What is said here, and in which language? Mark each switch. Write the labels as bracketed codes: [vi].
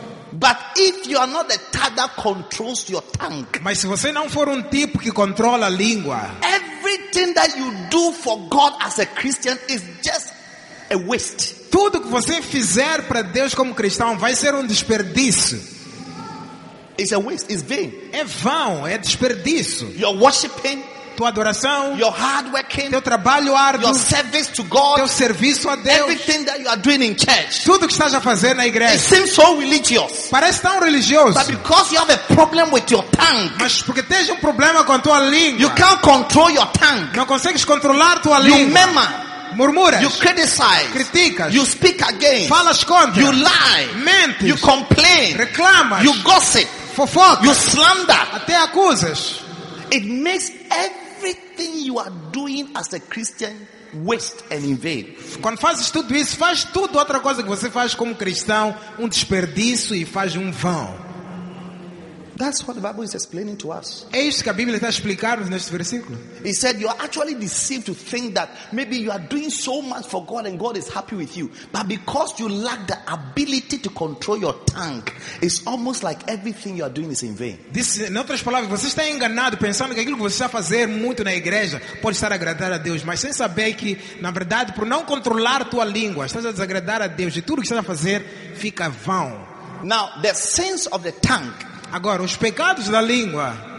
[en] But if you are not the type that controls your tongue. [pt] Mas se você não for tipo que controla a língua. [en] Everything that you do for God as a Christian is just a waste. [pt] Tudo que você fizer para Deus como cristão vai ser desperdício. [en] It's a waste. It's vain. [pt] É vão, é desperdício. [en] Your worshiping, [pt] tua adoração, [en] your hard working, [pt] teu trabalho árduo, [en] your service to God, [pt] teu serviço a Deus, [en] everything that you are doing in church, [pt] tudo que estás a fazer na igreja, [en] it seems so religious, [pt] parece tão religioso. [en] But because you have a problem with your tongue, [pt] mas porque tens problema com a tua língua, [en] you can't control your tongue, [pt] não consegues controlar tua língua, [en] you murmur, [pt] murmuras, [en] you criticize, [pt] criticas, [en] you speak again, [pt] falas contra, [en] you lie, [pt] mentes, [en] you complain, [pt] reclamas, [en] you gossip, [pt] fofocas, [en] you slander, [pt] até acusas. [en] It makes everything you are doing as a Christian waste and in vain. [pt] Quando fazes tudo isso, faz tudo outra coisa que você faz como cristão desperdício e faz vão. [en] That's what the Bible is explaining to us. [pt] É isso que a Bíblia está explicando neste versículo. [en] He said you are actually deceived to think that maybe you are doing so much for God and God is happy with you, but because you lack the ability to control your tongue, it's almost like everything you are doing is in vain. [pt] This, em outras palavras, você está enganado pensando que aquilo que você está a fazer muito na igreja pode estar a agradar a Deus, mas sem saber que na verdade por não controlar tua língua estás a desagradar a Deus e tudo que estás a fazer fica vão. [en] Now the sins of the tongue. [pt] Agora, os pecados da língua